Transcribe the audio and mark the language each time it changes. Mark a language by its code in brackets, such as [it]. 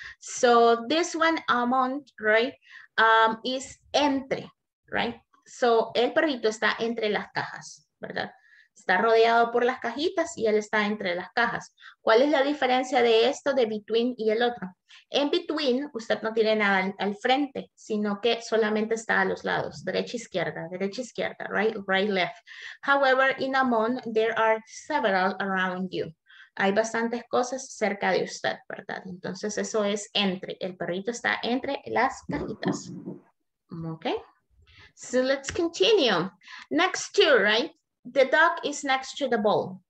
[en] So this one, Amont, right, is entre, right? [es] So el perrito está entre las cajas, ¿verdad? Está rodeado por las cajitas y él está entre las cajas. ¿Cuál es la diferencia de esto, de between y el otro? En between, usted no tiene nada al frente, sino que solamente está a los lados, derecha, izquierda, [en] right, right, left. However, in among, there are several around you. [es] Hay bastantes cosas cerca de usted, ¿verdad? Entonces, eso es entre. El perrito está entre las cajitas. ¿Ok? [en] So, let's continue. Next two, right? The dog is next to the ball.